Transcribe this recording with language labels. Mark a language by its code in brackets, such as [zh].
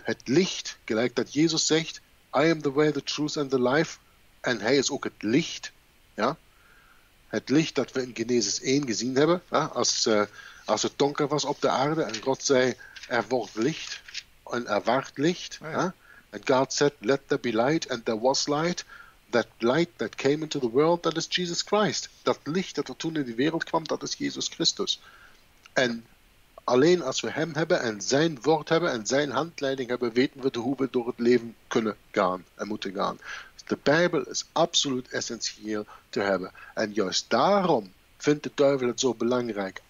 [nl] Het licht, gelijk dat Jezus zegt, [en] I am the way, the truth and the life, [nl] en hij is ook het licht. Ja? Het licht dat we in Genesis 1 gezien hebben, ja? als het donker was op de aarde en God zei, er wordt licht en er waard licht. Ja. Ja? [en] And God said, let there be light, and there was light. That light that came into the world, that is Jesus Christ. [nl] Dat licht dat er toen in die wereld kwam, dat is Jezus Christus. En alleen als we hem hebben en zijn woord hebben en zijn handleiding hebben, weten we hoe we door het leven kunnen gaan en moeten gaan. De Bijbel is absoluut essentieel te hebben. En juist daarom vindt de duivel het zo belangrijk.